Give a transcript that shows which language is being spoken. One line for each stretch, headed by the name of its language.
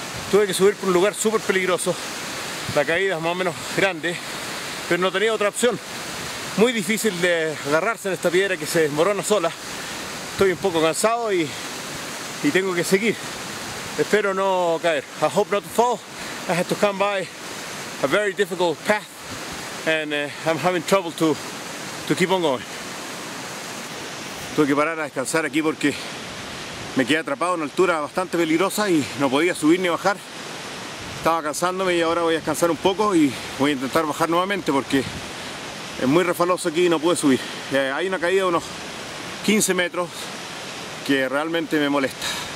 Spanish: Tuve que subir por un lugar súper peligroso, la caída es más o menos grande, pero no tenía otra opción. Muy difícil de agarrarse en esta piedra que se desmorona sola. Estoy un poco cansado y tengo que seguir. Espero no caer.
English: I hope not to fall. I had to come by a very difficult path and I'm having trouble to keep on going.
Spanish: Tuve que parar a descansar aquí porque me quedé atrapado en una altura bastante peligrosa y no podía subir ni bajar. Estaba cansándome y ahora voy a descansar un poco y voy a intentar bajar nuevamente porque es muy refaloso aquí y no pude subir. Hay una caída de unos 15 metros que realmente me molesta.